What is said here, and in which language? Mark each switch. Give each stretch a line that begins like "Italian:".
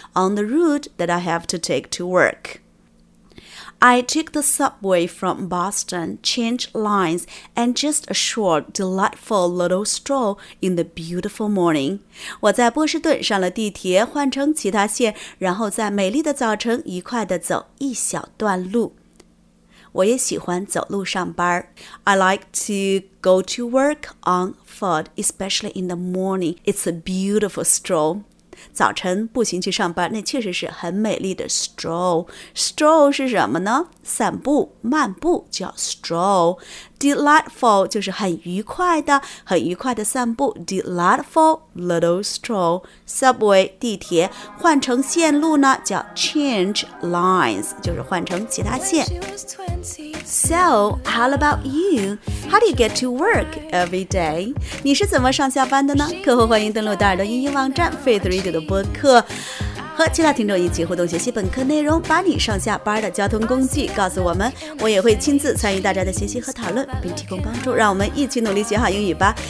English: On the route that I have to take to work. I took the subway from Boston, changed lines, and just a short, delightful little stroll in the beautiful morning.
Chinese: 我在波士顿上了地铁，换乘其他线，然后在美丽的早晨愉快地走一小段路。我也喜欢走路上班。
English: I like to go to work on foot, especially in the morning. It's a beautiful stroll.
Chinese: 早晨步行去上班，那确实是很美丽的 stroll. Stroll 是什么呢？散步、漫步叫 stroll. Delightful 就是很愉快的、很愉快的散步。
English: Delightful little stroll.
Chinese: Subway 地铁换乘线路呢，叫
English: change lines，
Chinese: 就是换乘其他线。
English: So, how about you? How do you get to work every day?
Chinese: 你是怎么上下班的呢？客户欢迎登录大耳朵英语网站 Faith Radio 的播客，和其他听众一起互动学习本课内容，把你上下班的交通工具告诉我们，我也会亲自参与大家的学习和讨论，并提供帮助，让我们一起努力学好英语吧。